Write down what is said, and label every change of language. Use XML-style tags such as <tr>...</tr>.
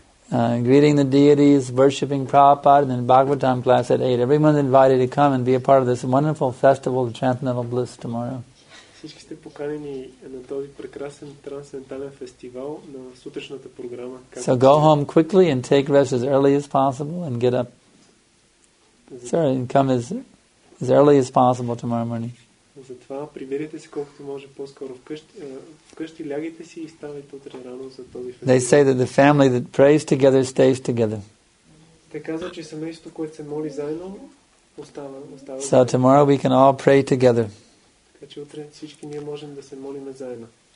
<en>Greeting the deities, worshipping Prabhupada, and then Bhagavatam class at 8. Everyone's invited to come and be a part of this wonderful festival of transcendental bliss tomorrow.</en> <bg>Всички сте поканени на този прекрасен трансцендентален фестивал на сутрешната програма.</bg> <en>So go home quickly and take rest as early as possible and get up. Sorry, and come as early as possible tomorrow morning.</en> <bg>Затова приберете се колкото може по-скоро вкъщи, лягайте си и ставайте утре рано за този фестивал.</bg> <en>They say that the family that prays together stays together.</en> <bg>Те казват, че семейството, което се моли заедно, остава.</bg> <en>So tomorrow we can all pray together.</en> <bg>Така че утре всички ние можем да се молим заедно.</bg>